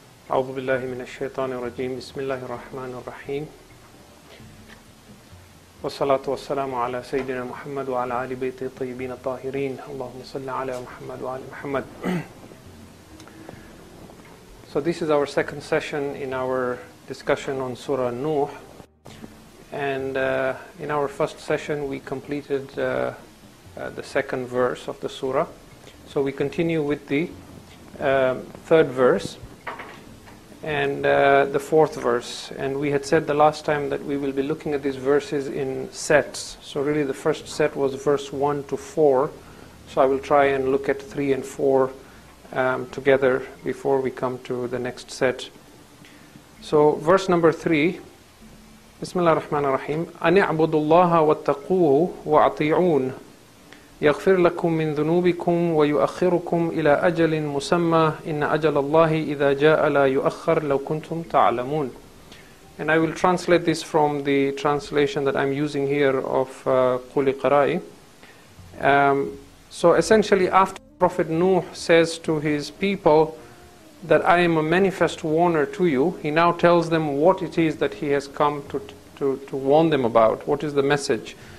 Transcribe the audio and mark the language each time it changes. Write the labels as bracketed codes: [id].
[ar] أعوذ بالله من الشيطان الرجيم بسم الله الرحمن الرحيم والصلاة والسلام على سيدنا محمد وعلى آل بيته الطيبين الطاهرين اللهم صل على محمد وعلى محمد. [en] So this is our second session in our discussion on Surah Nuh, and in our first session we completed the second verse of the Surah. So we continue with the third verse and the fourth verse. And we had said the last time that we will be looking at these verses in sets. So really the first set was verse 1 to 4. So I will try and look at 3 and 4 together before we come to the next set. So verse number 3. Bismillah ar-Rahman ar-Rahim. [ar] أَنِعْبُدُ اللَّهَ وَاتَّقُوهُ وَأَطِيعُونَ يغفر لكم من ذنوبكم ويؤخركم إلى أجل مسمى إن أجل الله إذا جاء لا يؤخر لو كنتم تعلمون. [en] And I will translate this from the translation that I'm using here of Quli Qara'i. So essentially, after Prophet Nuh says to his people that I am a manifest warner to you, he now tells them what it is that he has come to warn them about. What is the message?